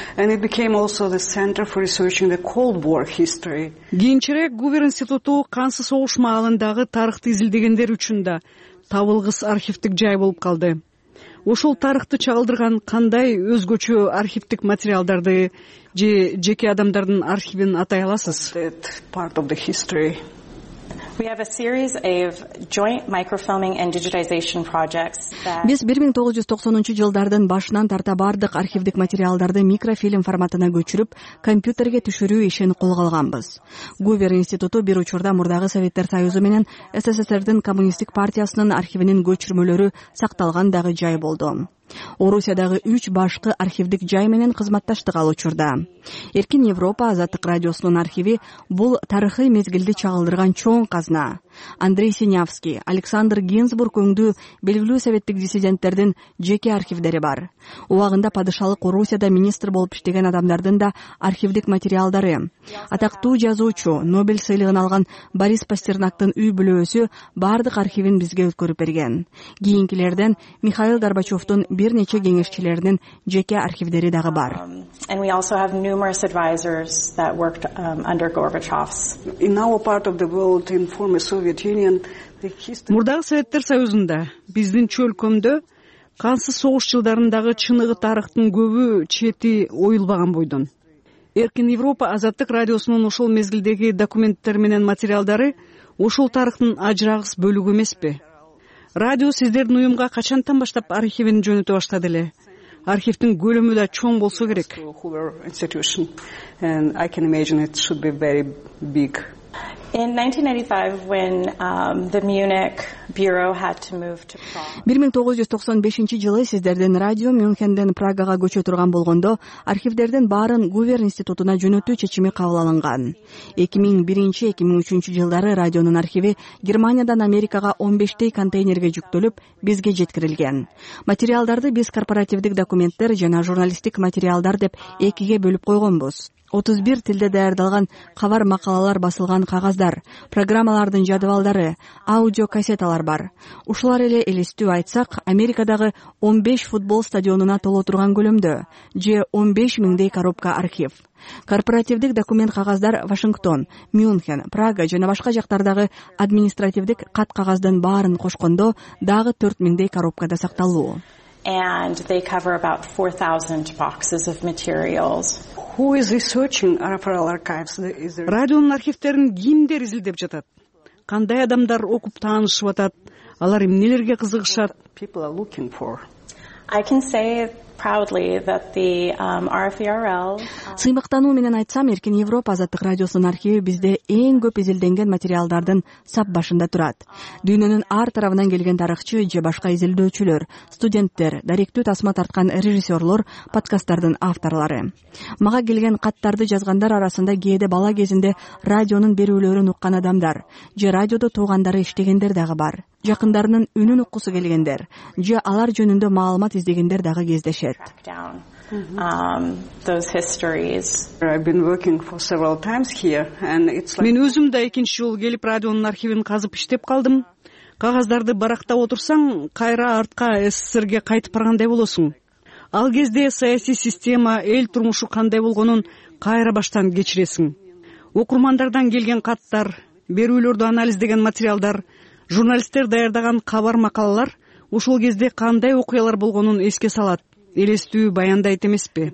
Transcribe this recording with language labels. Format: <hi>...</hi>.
<en>And it became also the center for researching the Cold War history.</en> <ky>Кийинчерээк Гувер институту кансыз согуш маалындагы тарыхты изилдегендер үчүн да табылгыс архивтик жай болуп калды. Ошол тарыхты чагылдырган кандай өзгөчө архивтик материалдарды же жеке адамдардын архивин атай аласыз?</ky> <en>Part of the history. We have a series of joint microfilming and digitization projects that</en> <ky>Биз 1990 жылдардын башынан тарта бардык архивдик материалдарды микрофильм форматына көчүрүп, компьютерге түшүрүү ишин колго алганбыз. Гувер институту бир учурда мурдагы Советтер Союзу менен СССРдин коммунисттик партиясынын архивинин көчүрмөлөрү сакталган дагы жай болду. Орусиядагы 3 башкы архивдик жай менен кызматташтык алуучурда. Эркин Европа Азаттык радиосунун архиви бул тарыхый мезгилди чагылдырган чоң казна. Андрей Синявский, Александр Гинзбург өңдүү белгилүү советтик диссиденттердин жеке архивдери бар. Убагында падышалык Орусияда министр болуп иштеген адамдардын да архивдик материалдары. Атактуу жазуучу, Нобель сыйлыгын алган Борис Пастернактын үй бүлөсү бардык архивин бизге өткөрүп берген. Кийинкилерден Михаил Горбачевдун бир нече кеңешчилеринин жеке архивдери дагы бар.</ky> <en>And we also have numerous advisors that worked under Gorbachev's. In our part of the world, in former Soviet Union, the history.</en> <ky>Мурдагы Советтер Союзунда биздин чөлкөмдө кансыз согуш жылдарындагы чыныгы тарыхтын көбү чети оюлбаган бойдон. Эркин Европа Азаттык радиосунун ошол мезгилдеги документтер менен материалдары ошол тарыхтын ажырагыс бөлүгү эмеспи? Радио сиздердин уюмга качантан баштап архивин жөнөтө баштады эле? архивтин көлөмү да чоң болсо керек.</ky> <en>In 1995 when the Munich bureau had to move to Prague.</en> <ky>1995 жылы сиздердин радио Мюнхендин Прагага көчө турган болгондо, архивдердин баарын Гувер институтуна жөнөтүү чечими кабыл алынган. 2001-2003 жылдары радионун архиви Германиядан Америкага 15 контейнерге жүктөлүп, бизге жеткирилген. Материалдарды биз корпоративдик документтер жана журналистик материалдар деп экиге бөлүп койгонбуз. 31 тилде даярдалган кабар макалалар басылган кагаздар, программалардын жадывалдары, аудио кассеталар бар. Ушулар эле элестүү айтсак, Америкадагы 15 футбол стадионуна толо турган көлөмдө же 15 миңдей коробка архив. Корпоративдик документ кагаздар Вашингтон, Мюнхен, Прага жана башка жактардагы административдик кат кагаздын баарын кошкондо дагы 4 миңдей коробкада сакталуу.</ky> <en>And they cover about 4,000 boxes of materials. Who is researching RFRL archives?</en> <ky>Радионун архивдерин кимдер изилдеп жатат? Кандай адамдар окуп таанышып атат? Алар эмнелерге кызыгышат?</ky> <en>People are looking for. I can say proudly that the RFRL.</en> <ky>Сыймыктануу менен айтсам, Эркин Европа Азаттык радиосунун архиви бизде эң көп изилденген материалдардын сап башында турат. Дүйнөнүн ар тарабынан келген тарыхчы же башка изилдөөчүлөр, студенттер, даректүү тасма тарткан режиссерлор, подкасттардын авторлары. Мага келген каттарды жазгандар арасында кээде бала кезинде радионун берүүлөрүн уккан адамдар же радиодо туугандары иштегендер дагы бар. Жакындарынын үнүн уккусу келгендер же алар жөнүндө маалымат издегендер дагы кездешет.</ky> <en>Those histories. I've been working for several times here and it's like</en> <ky>мен өзүм да экинчи жолу келип радионун архивин казып иштеп калдым. Кагаздарды барактап отурсаң, кайра артка СССРге кайтып баргандай болосуң. Ал кезде саясий система, эл турмушу кандай болгонун кайра баштан кечиресиң. Окурмандардан келген каттар, берүүлөрдү анализдеген материалдар, журналисттер даярдаган кабар макалалар ушул кезде кандай окуялар болгонун эске салат, элестүү баяндайт эмеспи?</ky>